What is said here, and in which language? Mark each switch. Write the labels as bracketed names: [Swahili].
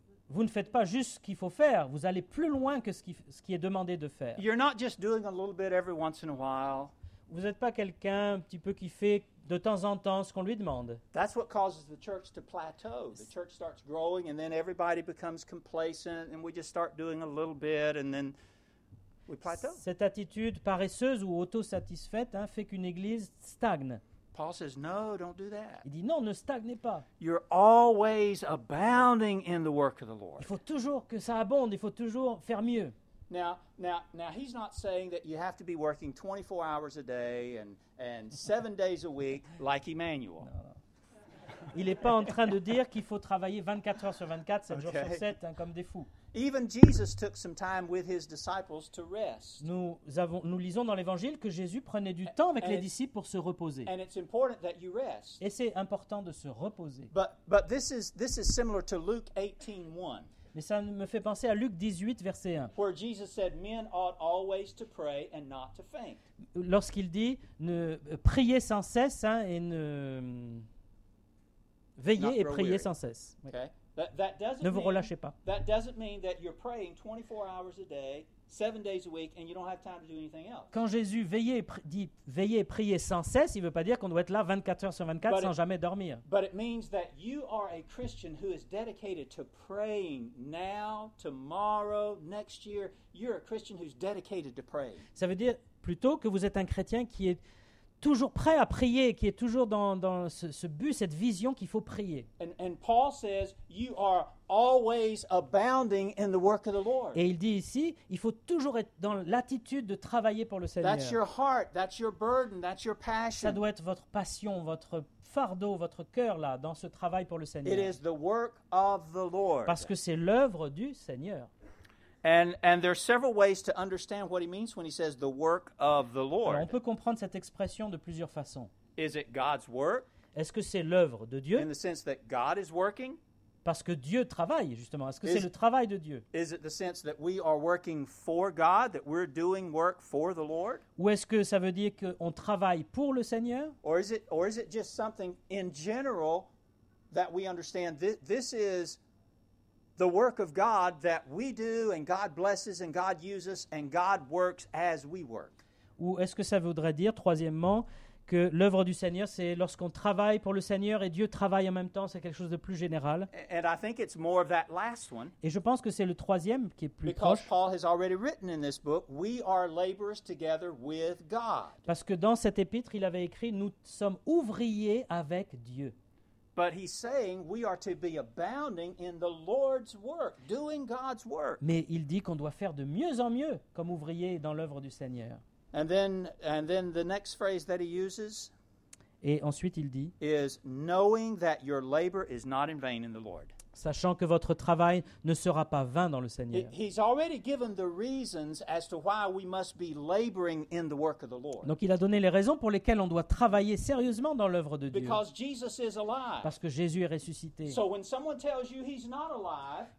[French] Vous ne faites pas juste ce qu'il faut faire. Vous allez plus loin que ce qui est demandé de faire. [English] You're not just doing a little bit every once in a while. [French] Vous n'êtes pas quelqu'un un petit peu qui fait de temps en temps ce qu'on lui demande. [English] That's what causes the church to plateau. The church starts growing and then everybody becomes complacent and we just start doing a little bit and then we plateau. [French] Cette attitude paresseuse ou autosatisfaite fait qu'une église stagne. [English] Paul says, no, don't do that. [French] Il dit non, ne stagnez pas. [English] You're always abounding in the work of the Lord. [French] Il faut toujours que ça abonde, il faut toujours faire mieux. [English] Now he's not saying that you have to be working 24 hours a day and 7 days a week like Emmanuel. No. [French] Il n'est pas en train de dire qu'il faut travailler 24 heures sur 24, 7 jours sur 7, comme des fous. [English] Even Jesus took some time with his disciples to rest. [French] Nous lisons dans l'Évangile que Jésus prenait du temps avec les disciples pour se reposer. [English] And it's important that you rest. [French] Et c'est important de se reposer. [English] But this is similar to Luke 18:1. [French] Mais ça me fait penser à Luc 18, verset 1. [English] Where Jesus said, men ought always to pray and not to faint. [French] Lorsqu'il dit, ne priez sans cesse et ne... Veillez et priez sans cesse. [English] Okay. [French] Ne vous relâchez pas. [English] That doesn't mean that you're praying 24 hours a day, 7 days a week, and you don't have time to do anything else. [French] Quand Jésus veillez et priez sans cesse, il ne veut pas dire qu'on doit être là 24 heures sur 24 [English] but [French] sans jamais dormir. [English] But it means that you are a Christian who is dedicated to praying now, tomorrow, next year. You're a Christian who's dedicated to praying. [French] Ça veut dire plutôt que vous êtes un chrétien qui est toujours prêt à prier, qui est toujours dans ce but, cette vision qu'il faut prier. [English] And Paul says, you are always abounding in the work of the Lord. [French] Et il dit ici, il faut toujours être dans l'attitude de travailler pour le Seigneur. [English] That's your heart, that's your burden, that's your passion. [French] Ça doit être votre passion, votre fardeau, votre cœur là, dans ce travail pour le Seigneur. [English] It is the work of the Lord. [French] Parce que c'est l'œuvre du Seigneur. [English] And there are several ways to understand what he means when he says the work of the Lord. [French] Alors on peut comprendre cette expression de plusieurs façons. [English] Is it God's work? [French] Est-ce que c'est l'œuvre de Dieu? [English] In the sense that God is working? [French] Parce que Dieu travaille, justement. Est-ce que c'est le travail de Dieu? [English] Is it the sense that we are working for God, that we're doing work for the Lord? [French] Ou est-ce que ça veut dire qu'on travaille pour le Seigneur? [English] Or is it just something in general that we understand this is the work of God that we do and God blesses and God uses and God works as we work. [French] Ou est-ce que ça voudrait dire, troisièmement, que l'œuvre du Seigneur, c'est lorsqu'on travaille pour le Seigneur et Dieu travaille en même temps, c'est quelque chose de plus général. [English] And I think it's more of that last one. [French] Et je pense que c'est le troisième qui est plus proche. [English] Because Paul has already written in this book, we are laborers together with God. [French] Parce que dans cet épître, il avait écrit, nous sommes ouvriers avec Dieu. [English] But he's saying we are to be abounding in the Lord's work, doing God's work. [French] Mais il dit qu'on doit faire de mieux en mieux comme ouvrier dans l'œuvre du Seigneur. [English] And then the next phrase that he uses. [French] Et ensuite il dit. [English] Is knowing that your labor is not in vain in the Lord. [French] Sachant que votre travail ne sera pas vain dans le Seigneur. [English] He's already given the reasons as to why we must be laboring in the work of the Lord. [French] Donc il a donné les raisons pour lesquelles on doit travailler sérieusement dans l'œuvre de Dieu. [English] Because Jesus is alive. [French] Parce que Jésus est ressuscité. [English] So when someone tells you he's not alive,